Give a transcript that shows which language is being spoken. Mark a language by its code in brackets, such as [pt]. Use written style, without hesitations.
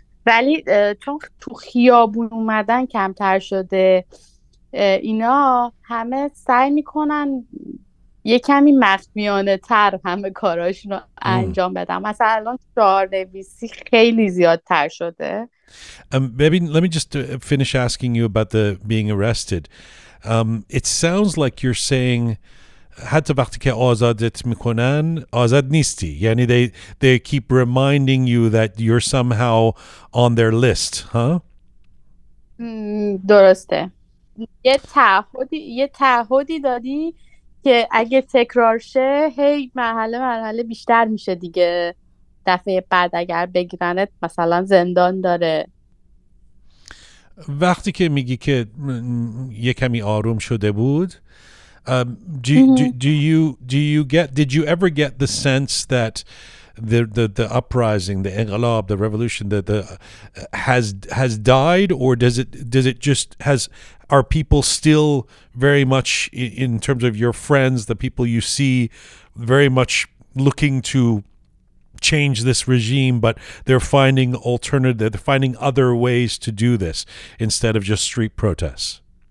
[fa] ولی چون تو خیابون اومدن کمتر شده، اینا همه سعی میکنن یه کمی مخفیانه تر همه کاراشون رو انجام بدم. مثلا الان شعار نویسی خیلی زیاد تر شده. [en] Maybe let me just finish asking you about the being arrested. It sounds like you're saying [fa] حتی وقتی که آزادت میکنن آزاد نیستی، یعنی [en] they keep reminding you that you're somehow on their list, huh? [fa] درسته. یه تعهدی دادی که اگه تکرار شه هی مرحله بیشتر میشه دیگه، دفعه بعد اگر بگیرنت مثلا زندان داره. وقتی که میگی که یه کمی آروم شده بود، [en] did you ever get the sense that the uprising, the انقلاب, the revolution, the has died, or does it just are people still very much in terms of your friends, the people you see, very much looking to change this regime, but they're finding other ways to do this instead of just street protests?